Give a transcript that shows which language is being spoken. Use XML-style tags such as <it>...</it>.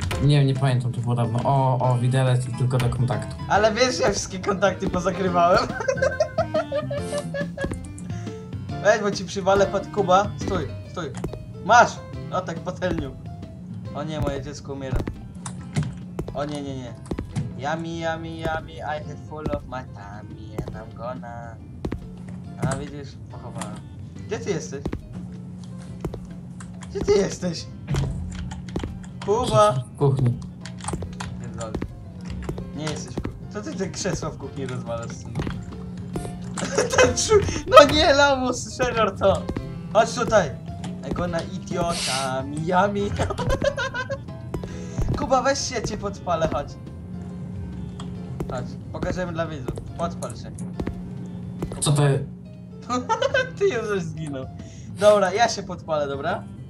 <pl>Nie, nie pamiętam, to było dawno. O, widelec i tylko do kontaktu. Ale wiesz, ja wszystkie kontakty pozakrywałem. Weź, bo ci przywalę pod Kuba. Stój. Masz! O tak, patelniu. O nie, moje dziecko umiera. O nie.</pl> <en>Yummy, I had full of my tummy and I'm gonna...</en> <pl>A widzisz, pochowałem. Gdzie ty jesteś? Kuba! W kuchni. Pierdolę. Nie jesteś w kuchni. Co ty te krzesła w kuchni rozwalasz, synu? No nie, Lamus, szerzor to! Chodź tutaj!</pl> <en>I'm gonna eat your tummy, yummy.</en> <pl>Kuba, weź się, cię podpalę, chodź. Chodź, pokażemy dla widzów. Podpal się. Co to jest? Ty już coś zginął. Dobra, ja się podpalę, dobra?</pl>